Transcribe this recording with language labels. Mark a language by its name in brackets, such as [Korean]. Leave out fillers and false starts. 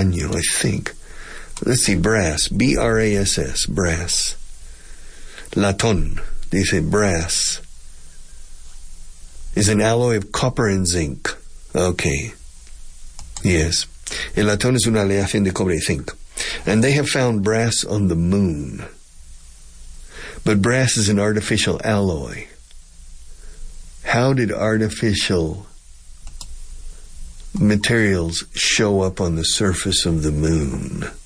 [English] Let's see, brass, B-R-A-S-S, brass. Latón, they say brass, is an alloy of copper and zinc. Okay. Yes. [Spanish] El latón es una aleación de cobre y zinc. [English] And they have found brass on the moon. But brass is an artificial alloy. How did artificial materials show up on the surface of the moon?